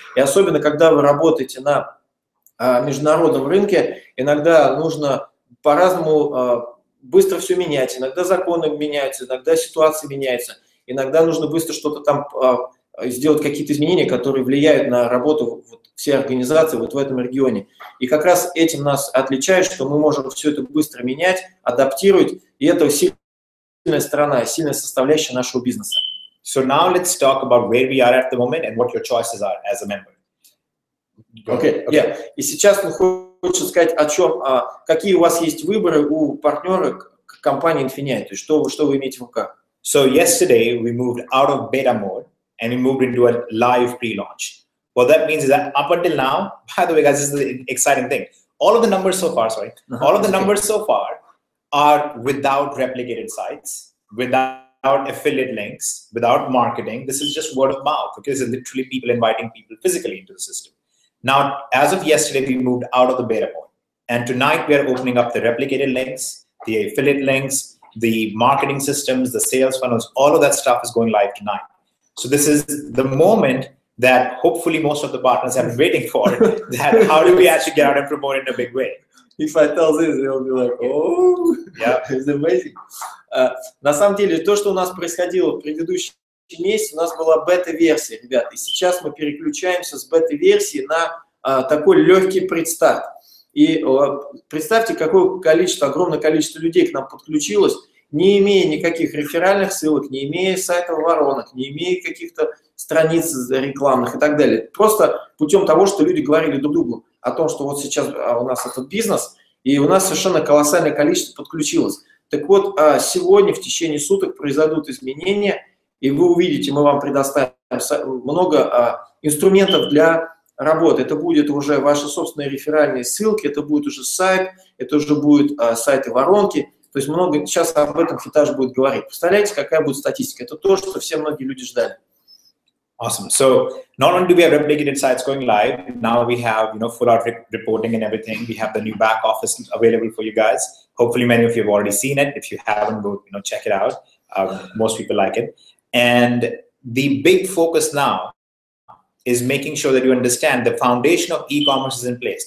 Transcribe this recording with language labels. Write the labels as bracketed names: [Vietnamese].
[Russian] И особенно, когда вы работаете на международном рынке, иногда нужно по-разному быстро все менять, иногда законы меняются, иногда ситуация меняется, иногда нужно быстро что-то там сделать, какие-то изменения, которые влияют на работу вот, всей организации вот в этом регионе. И как раз этим нас отличает, что мы можем все это быстро менять, адаптировать, и это сильная сторона, сильная составляющая нашего бизнеса. [English] So now let's talk about where we are at the moment and what your choices are as a member. Okay. Yeah. [Russian] И сейчас мы хочется сказать о чем, а какие у вас есть выборы у партнера компании Infinity, что вы имеете в руках? [English] So yesterday we moved out of beta mode and we moved into a live pre-launch. What that means is that up until now, by the way, guys, this is the exciting thing. All of the numbers so far, numbers so far are without replicated sites, without affiliate links, without marketing. This is just word of mouth because it's literally people inviting people physically into the system. Now, as of yesterday, we moved out of the beta mode. And tonight, we are opening up the replicated links, the affiliate links, the marketing systems, the sales funnels, all of that stuff is going live tonight. So this is the moment that hopefully most of the partners have been waiting for, that how do we actually get out and promote it in a big way? If I tell this, they'll be like, oh, yeah. It's amazing. [Russian] На самом деле, то, что у нас происходило в предыдущем месяц, у нас была бета-версия, ребят, и сейчас мы переключаемся с бета-версии на такой легкий предстарт. И представьте, какое количество, огромное количество людей к нам подключилось, не имея никаких реферальных ссылок, не имея сайтов воронок, не имея каких-то страниц рекламных и так далее. Просто путем того, что люди говорили друг другу о том, что вот сейчас у нас этот бизнес, и у нас совершенно колоссальное количество подключилось. Так вот, сегодня в течение суток произойдут изменения. И вы увидите, мы вам предоставим много инструментов для работы. Это будет уже ваши собственные реферальные ссылки, это будет уже сайт, это уже будет сайты воронки. То есть много сейчас об этом Хитаж будет говорить. Представляете, какая будет статистика? Это то, что все многие люди ждали. [English] Awesome. So not only do we have replicated sites going live, now we have, you know, full out reporting and everything. We have the new back office available for you guys. Hopefully many of you have already seen it. If you haven't, go, you know, check it out. Most people like it. And the big focus now is making sure that you understand the foundation of e-commerce is in place.